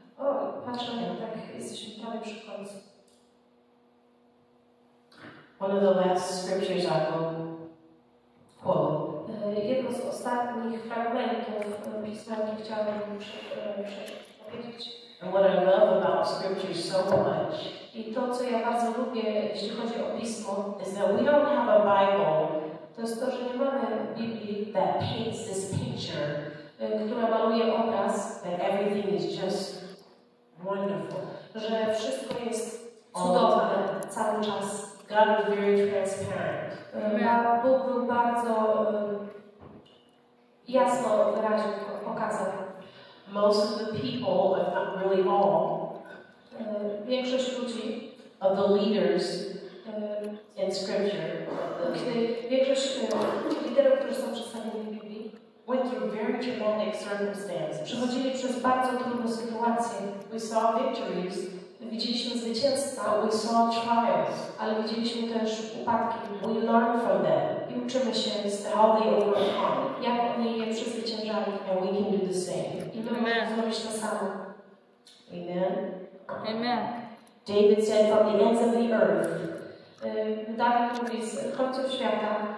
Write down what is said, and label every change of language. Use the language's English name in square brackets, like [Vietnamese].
[Polish] O, patrzę, tak, jesteśmy prawie przy końcu. [English] One of the last scriptures I will quote. [Polish] Jedno z ostatnich fragmentów pisma, nie chciałabym przepowiedzieć. [English] And what I love about scripture so much. [Polish] I to, co ja bardzo lubię, jeśli chodzi o pismo, [English] is that we don't have a Bible. [Polish] To jest to, że nie mamy Biblii, [English] that paints this picture, [Polish] która maluje obraz, [English] that everything is just wonderful. [Polish] Że wszystko jest cudowne cały czas. [English] God is very transparent. [Polish] Bóg był bardzo jasno wyraził, pokazał. [English] Most of the people, if not really all, [Polish] większość ludzi, [English] of the leaders in scripture, [Polish] większość liderów, którzy są przedstawieni w Biblii, [English] went through very traumatic circumstances. [Polish] Przechodzili przez bardzo trudną sytuację. [English] We saw victories. [Polish] Widzieliśmy zwycięstwa. [English] But we saw trials. [Polish] Ale widzieliśmy też upadki. [English] We learn from them. [Polish] I uczymy się z tego, [English] how they overcome. [Polish] Jak oni je przezwyciężali. [English] And we can do the same. [Polish] I my możemy zrobić to samo. [English] Amen. [Polish] Amen. [English] David said, from the ends of the earth, [Polish] Dawid mówi, z końców świata,